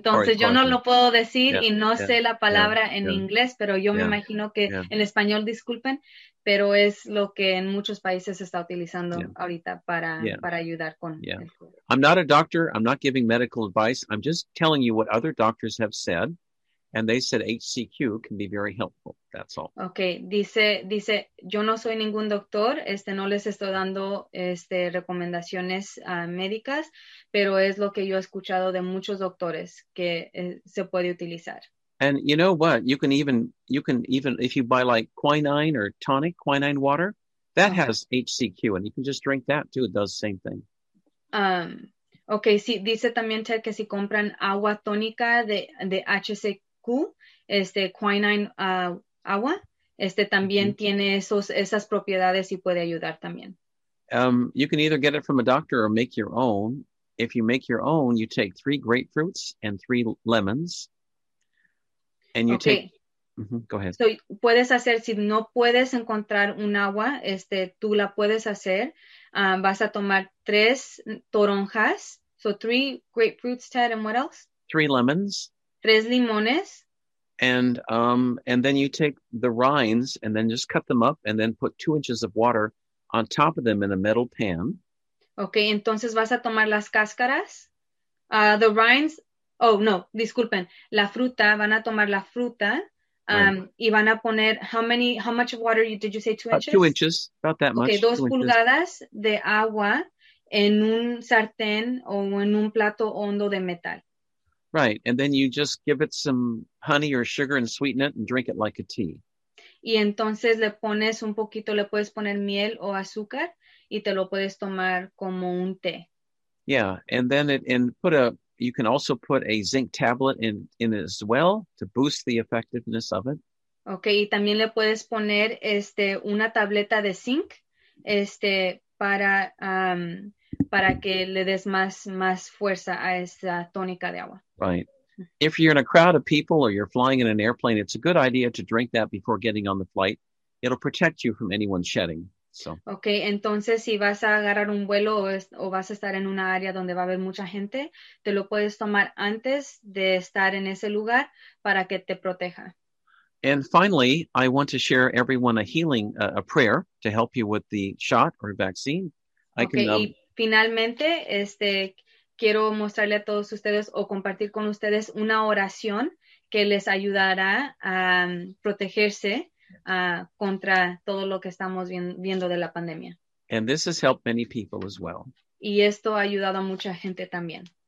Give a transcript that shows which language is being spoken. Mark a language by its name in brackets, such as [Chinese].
[Spanish] Entonces, yo no lo puedo decir y no sé la palabra en inglés, pero yo me imagino que en español, disculpen, pero es lo que en muchos países se está utilizando ahorita para ayudar con el COVID. [English] I'm not a doctor. I'm not giving medical advice. I'm just telling you what other doctors have said. And they said HCQ can be very helpful. That's all. [Spanish] Okay. Dice, yo no soy ningún doctor. No les estoy dando recomendaciones médicas, pero es lo que yo he escuchado de muchos doctores que se puede utilizar. [English] And you know what? You can even, if you buy like quinine or tonic, quinine water, that has HCQ, and you can just drink that too. It does the same thing. Okay. [Spanish] Sí, dice también Ted que si compran agua tónica de HCQ, quinine agua, también mm-hmm. tiene esas propiedades y puede ayudar también. [English] You can either get it from a doctor or make your own. If you make your own, you take 3 grapefruits and 3 lemons, and you take. Mm-hmm. Go ahead. [Spanish] So puedes hacer, si no puedes encontrar un agua, tú la puedes hacer. Vas a tomar 3 toronjas, [English] so 3 grapefruits, Ted, and what else? 3 lemons. [Spanish] 3 limones. [English] And then you take the rinds and then just cut them up and then put 2 inches of water on top of them in a metal pan. [Spanish] Okay, entonces vas a tomar las cáscaras. [English] The rinds, oh no, [Spanish] disculpen, la fruta, van a tomar la fruta. [English] Right. [Spanish] Y van a poner, [English] how much of water did you say, 2 inches? 2 inches, about that much. [Spanish] Okay, 2 pulgadas de agua en un sartén o en un plato hondo de metal. [English] Right, and then you just give it some honey or sugar and sweeten it and drink it like a tea. [Spanish] Y entonces le pones un poquito, le puedes poner miel o azúcar y te lo puedes tomar como un té. [English] Yeah, and then you can also put a zinc tablet in as well to boost the effectiveness of it. [Spanish] Okay, y también le puedes poner una tableta de zinc para que le des más fuerza a esa tónica de agua. [English] Right. If you're in a crowd of people or you're flying in an airplane, it's a good idea to drink that before getting on the flight. It'll protect you from anyone shedding. So. [Spanish] Okay, entonces si vas a agarrar un vuelo o vas a estar en una área donde va a haber mucha gente, te lo puedes tomar antes de estar en ese lugar para que te proteja. [English] And finally, I want to share everyone a healing, a prayer to help you with the shot or vaccine. [Spanish] Finalmente, quiero mostrarle a todos ustedes o compartir con ustedes una oración que les ayudará a protegerse contra todo lo que estamos viendo de la pandemia. [English] And this has helped many people as well. [Spanish] Y esto ha ayudado a mucha gente también.